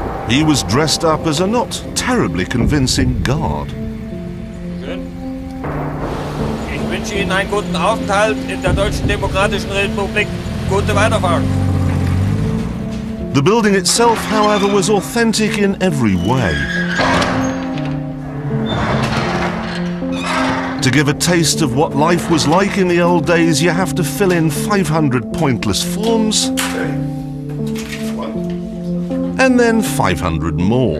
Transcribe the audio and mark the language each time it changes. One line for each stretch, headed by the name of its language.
English: He was dressed up as a not terribly convincing guard.
German: Ich wünsche Ihnen einen guten Aufenthalt in der Deutschen Demokratischen Republik. Gute Weiterfahrt.
English: The building itself, however, was authentic in every way. To give a taste of what life was like in the old days, you have to fill in 500 pointless forms, and then 500 more.